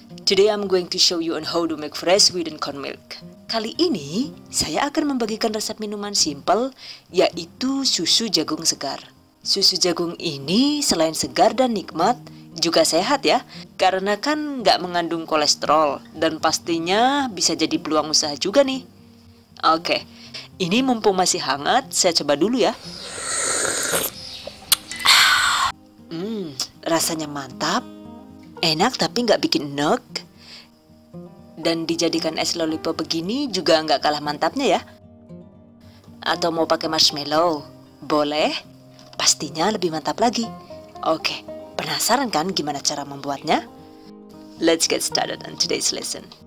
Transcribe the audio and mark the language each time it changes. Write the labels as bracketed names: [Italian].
[English] Today I'm going to show you on how to make fresh sweetened corn milk. [Indonesian] Kali ini saya akan membagikan resep minuman simple, yaitu susu jagung segar. Susu jagung ini selain segar dan nikmat, juga sehat ya, karena kan nggak mengandung kolesterol dan pastinya bisa jadi peluang usaha juga nih. Oke, ini mumpung masih hangat, saya coba dulu ya. Rasanya mantap, enak tapi nggak bikin enek, dan dijadikan es lollipop begini juga nggak kalah mantapnya ya. Atau mau pakai marshmallow, boleh, pastinya lebih mantap lagi. Oke, penasaran kan gimana cara membuatnya? [English] Let's get started on today's lesson.